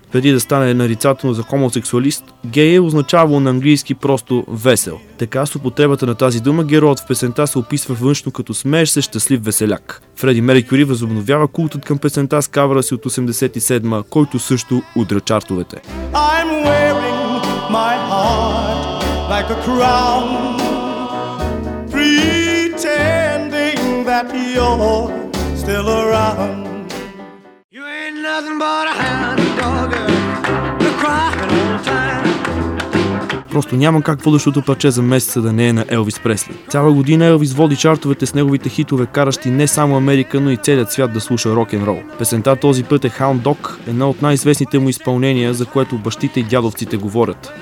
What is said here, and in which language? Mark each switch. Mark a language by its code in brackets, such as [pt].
[bg] Преди да стане нарицателно за хомосексуалист, гей е означавало на английски просто весел. Така с употребата на тази дума, героят в песента се описва външно като смееш се щастлив веселяк. Фреди Меркюри възобновява култът към песента с кавъра си от 87-ма, който също удря чартовете. [en] I'm wearing my heart like a crown, pretending that you're still around. You ain't nothing but a hound dog. [bg] Просто няма как водещото парче за месеца да не е на Елвис Пресли. Цяла година Елвис води чартовете с неговите хитове, каращи не само Америка, но и целият свят да слуша рок-н-рол. Песента този път е Hound Dog, една от най-известните му изпълнения, за което бащите и дядовците говорят.